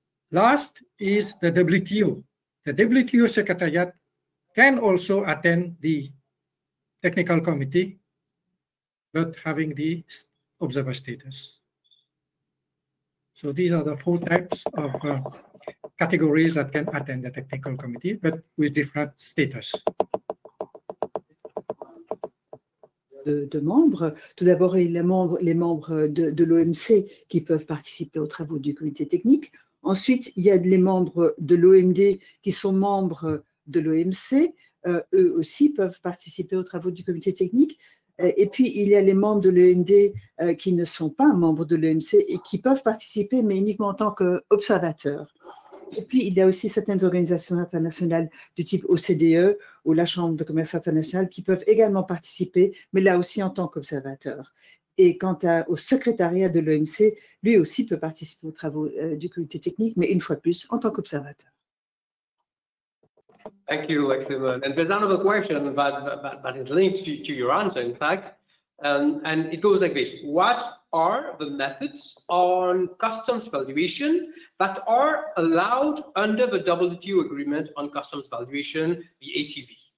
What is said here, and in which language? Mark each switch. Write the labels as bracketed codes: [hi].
[en] Last is the WTO. The WTO Secretariat can also attend the technical committee, but having the observer status. So these are the four types of categories that can attend the technical committee, but with different status. [fr] De membres. Tout d'abord, les membres de l'OMC qui peuvent participer aux travaux du comité technique. Ensuite, il y a les membres de l'OMD qui sont membres de l'OMC. Eux aussi peuvent participer aux travaux du comité technique. Et puis, il y a les membres de l'OMD qui ne sont pas membres de l'OMC et qui peuvent participer, mais uniquement en tant qu'observateurs. Et puis, il y a aussi certaines organisations internationales du type OCDE ou la Chambre de commerce internationale qui peuvent également participer, mais là aussi en tant qu'observateurs. Et quant au secrétariat de l'OMC, lui aussi peut participer aux travaux du comité technique, mais une fois plus en tant qu'observateur. [en] Thank you, Lexman. And there's another question that is linked to your answer, in fact. And it goes like this. What are the methods on customs valuation that are allowed under the WTO agreement on customs valuation, the ACV?